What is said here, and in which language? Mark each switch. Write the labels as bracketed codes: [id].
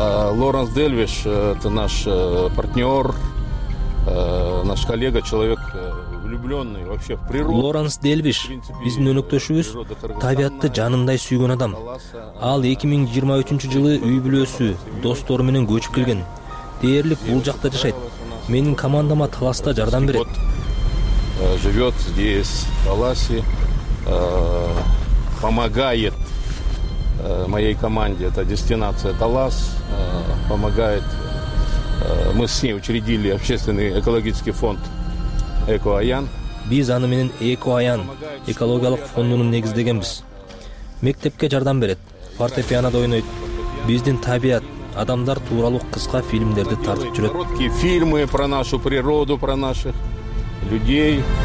[ru] Лоренс Дельвиш, это наш партнер, наш коллега, человек влюбленный вообще в природу. [ky] Лоренс Дельвиш, биздин өнөктөшүбүз, табиятты жанындай сүйгөн адам. Ал 2023 жылы үй-бүлөсү, достору менен көчүп келген. Дээрлик бул жакта жашайт. Менин командама Таласта жардам берет. [ru] Живет здесь, в Таласе, помогает моей команде, это дестинация Талас, помогает. Мы с ней учредили общественный экологический фонд Экоаян. [ky] Биз аны менен Экоаян экологиялык фондунун негиздегенбиз. Мектепке жардам берет, фортепианода ойнойт. Биздин табият, адамдар тууралуу кыска фильмдерди тартып жүрөт. [ru] Короткие фильмы про нашу природу, про наших людей.